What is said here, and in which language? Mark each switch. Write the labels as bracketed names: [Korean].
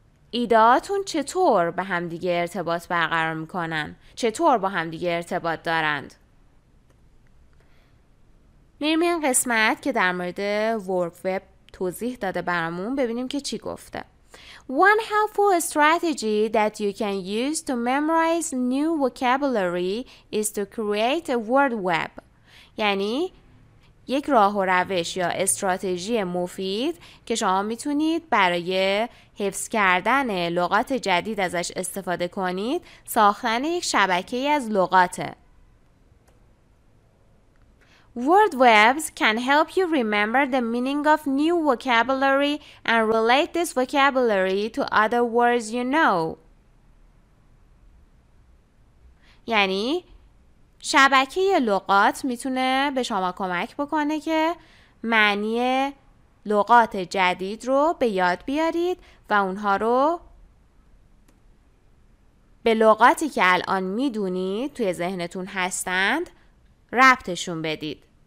[Persian] ایده‌هاتون چطور به همدیگه ارتباط برقرار میکنن؟ چطور با همدیگه ارتباط دارند؟ میریم این قسمت که در مورد ورک وب توضیح داده برامون ببینیم که چی گفته. [English] One helpful strategy that you can use to memorize new vocabulary is to create a word web. [Persian] یعنی یک راه و روش یا استراتژی مفید که شما میتونید برای حفظ کردن لغات جدید ازش استفاده کنید ساختن یک شبکه از لغاته. [English] Word webs can help you remember the meaning of new vocabulary and relate this vocabulary to other words you know. [Persian] یعنی شبکه لغات میتونه به شما کمک بکنه که معنی لغات جدید رو به یاد بیارید و اونها رو به لغاتی که الان میدونید توی ذهنتون هستند ربطشون بدید.